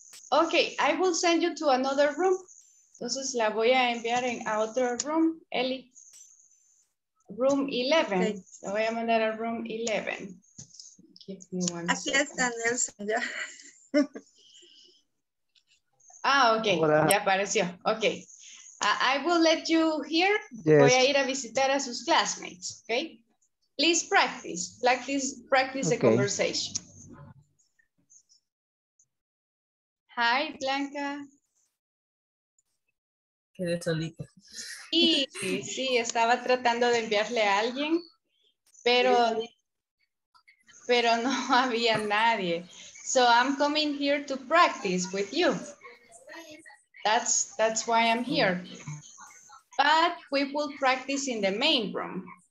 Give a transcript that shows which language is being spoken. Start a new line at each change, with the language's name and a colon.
English: Okay, I will send you to another room.
Spanish: Entonces la voy a enviar a otro room, Ellie.
English: Room 11. Okay.
Spanish: La voy a mandar a
English: room 11. Give me one.
Spanish: Aquí está Nelson, ya.
English: Ah, okay.
Spanish: Hola. Ya apareció.
English: Okay. I will let you hear. Yes.
Spanish: Voy a ir a visitar a sus classmates, okay?
English: Please practice. Practice okay. The conversation. Hi, Blanca.
Spanish: Quedé solita. Sí, estaba tratando de enviarle a alguien, pero no había nadie.
English: So I'm coming here to practice with you. That's why I'm here. But we will practice in the main room.